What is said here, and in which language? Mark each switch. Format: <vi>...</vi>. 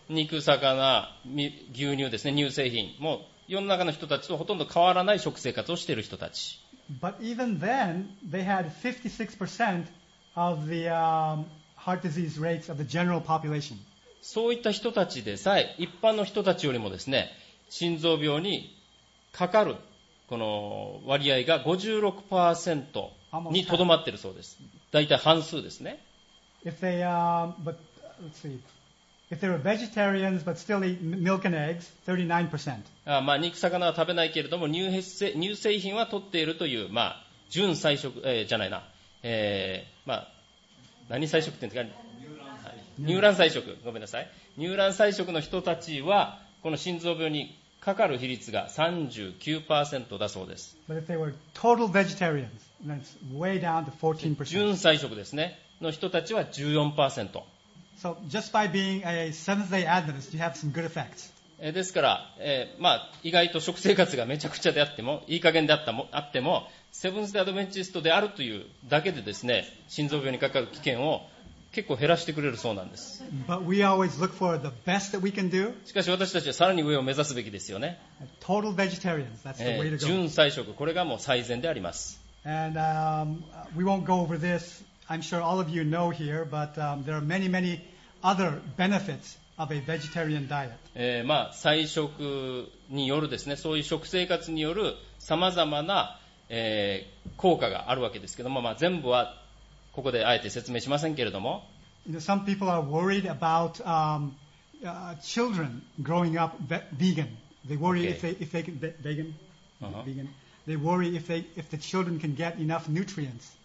<ja>肉、魚、牛乳ですね、乳製品。もう世の中の人たちとほとんど変わらない食生活をしている人たち。</ja> <en>But even then, they had 56% of the heart disease rates of the general population.</en> <ja>そういった人たちでさえ、一般の人たちよりもですね、心臓病にかかる。この割合が 56% にとどまっているそうです。だいたい半数ですね。</ja> <en>If they, but, let's see. If they were vegetarians but still eat milk and eggs, 39%.</en> <ja>まあ、肉魚は食べないけれども乳製品は取っているという、まあ、純菜食、じゃないな、まあ、何菜食って言うんですか、乳卵菜食、ごめんなさい、乳卵菜食の人たちはこの心臓病にかかる比率が 39% だそうです。</ja> <en>But if they were total vegetarians, then it's way down to 14%.</en> <ja>純菜食ですね。の人たちは 14%。</ja> <en>So just by being a Seventh-day Adventist, you have some good effects.</en> <ja>ですから、まあ、意外と食生活がめちゃくちゃであっても、いい加減であってもセブンス・デイ・アドベンチストであるというだけでですね、心臓病にかかる危険を結構減らしてくれるそうなんです。</ja> <en>But we always look for the best that we can do.</en> <ja>しかし私たちはさらに上を目指すべきですよね。</ja> <en>Total vegetarians, that's the way to go.</en> <ja>純菜食、これがもう最善であります。</ja> <en>And we won't go over this. I'm sure all of you know here, but there are many, many other benefits of a vegetarian diet.</en> <ja>まあ菜食によるですね、そういう食生活によるさまざまな、効果があるわけですけども、まあ全部はここであえて説明しませんけれども、</ja> <en>Some people are worried about children growing up vegan. They worry if they can vegan, vegan. They worry if the children can get enough nutrients.</en>